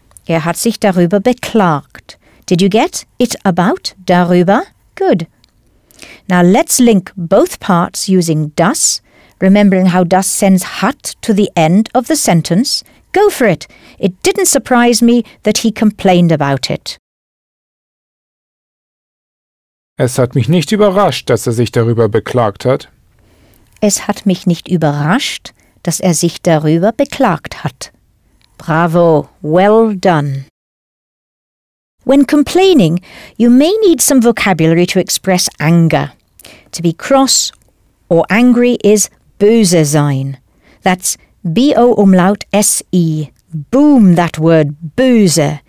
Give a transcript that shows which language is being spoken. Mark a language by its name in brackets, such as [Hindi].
[German] Hat sich darüber beklagt. [English] Did you get it about darüber? Good. Now let's link both parts using das, remembering how das sends hat to the end of the sentence. Go for it. It didn't surprise me that he complained about it. [German] Es hat mich nicht überrascht, dass sich darüber beklagt hat. Es hat mich nicht überrascht, dass sich darüber beklagt hat. [English] Bravo, well done. When complaining, you may need some vocabulary to express anger. To be cross or angry is böse sein. That's B-O-Umlaut-S-E. Boom, that word, böse.